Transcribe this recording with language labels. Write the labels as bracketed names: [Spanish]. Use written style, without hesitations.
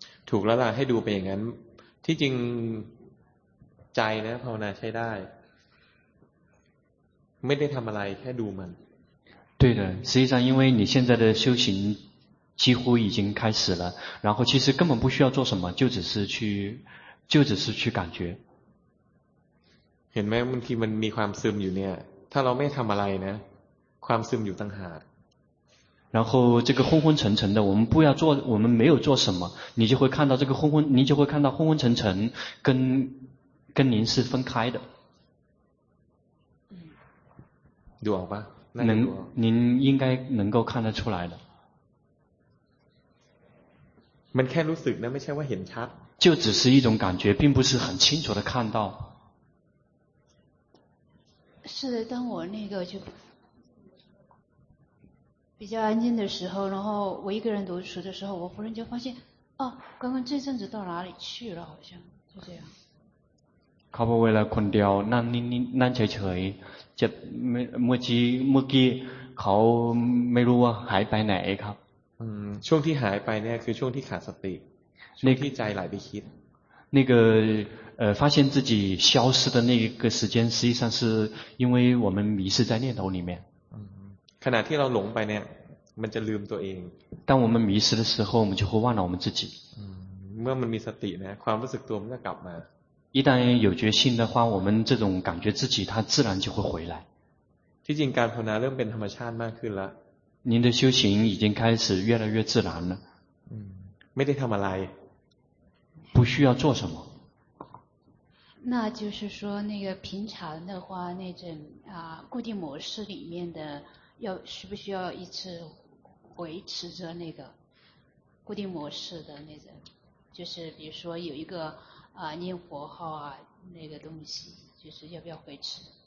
[Thai] ถูกแล้วล่ะให้ดูไปอย่างนั้นที่จริงใจนะภาวนาใช้ได้ไม่ได้ทำอะไรแค่ดูมัน [Chinese] 对的实际上因为你现在的修行几乎已经开始了然后其实根本不需要做什么就只是去感觉 [Thai] เห็นไหมบางทีมันมีความซึมอยู่เนี่ยถ้าเราไม่ทำอะไรนะความซึมอยู่ตั้งหาก [Chinese] 然后这个昏昏沉沉的我们没有做什么你就会看到这个你就会看到昏昏沉沉跟您是分开的 [Thai] ดูออกป่ะ [Chinese] 能您应该能够看得出来的 [Thai] มันแค่รู้สึกนะไม่ใช่ว่าเห็นชัด [Chinese] 就只是一种感觉并不是很清楚的看到是的当我那个就比较安静的时候然后我一个人独处的时候我忽然就发现哦刚刚这阵子到哪里去了好像就这样 [Thai] เขาบอกเวลาคนเดียวนั่งนั่งเฉยๆจะเมื่อกี้เขาไม่รู้ว่าหายไปไหนครับ ช่วงที่หายไปเนี่ยคือช่วงที่ขาดสติช่วงที่ใจไหลไปคิด [Chinese] 那个发现自己消失的那个时间实际上是因为我们迷失在念头里面 [Thai] ขณะที่เราหลงไปเนี่ยมันจะลืมตัวเอง [Chinese] 当我们迷失的时候我们就会忘了我们自己 [Thai] เมื่อมันมีสตินะความรู้สึกตัวมันจะกลับมา [Chinese] 一旦有决心的话我们这种感觉自己它自然就会回来 [Thai] ที่จริงการภาวนาเริ่มเป็นธรรมชาติมากขึ้นแล้ว [Chinese] 您的修行已经开始越来越自然了 [Thai] ไม่ได้ทำอะไร [Chinese] 不需要做什么那就是说那个平常的话那种固定模式里面的要需不需要一直维持着那个固定模式的那种就是比如说有一个念佛号啊那个东西就是要不要维持